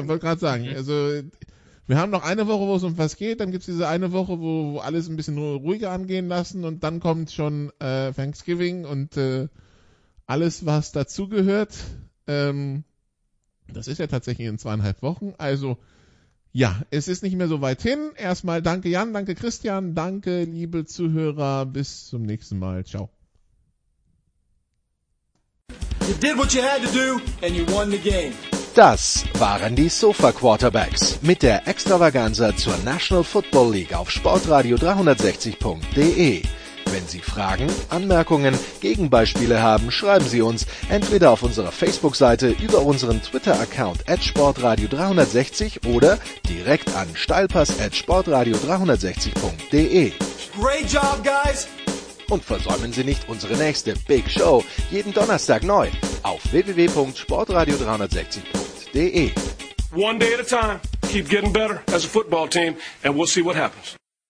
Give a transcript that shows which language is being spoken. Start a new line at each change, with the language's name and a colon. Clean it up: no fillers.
German: Ich wollte gerade sagen, also... Wir haben noch eine Woche, wo es um was geht, dann gibt es diese eine Woche, wo alles ein bisschen ruhiger angehen lassen und dann kommt schon Thanksgiving und alles, was dazugehört. Das ist ja tatsächlich in 2,5 Wochen. Also ja, es ist nicht mehr so weit hin. Erstmal danke Jan, danke Christian, danke liebe Zuhörer, bis zum nächsten Mal. Ciao.
English: You did what you had to do and you won the game.
German: Das waren die Sofa Quarterbacks mit der Extravaganza zur National Football League auf sportradio360.de. Wenn Sie Fragen, Anmerkungen, Gegenbeispiele haben, schreiben Sie uns entweder auf unserer Facebook-Seite über unseren Twitter-Account @sportradio360 oder direkt an steilpass@sportradio360.de.
English: Great job, guys!
German: Und versäumen Sie nicht unsere nächste Big Show jeden Donnerstag neu auf www.sportradio360.de.
English: One day at a time, keep getting better as a football team, and we'll see what happens.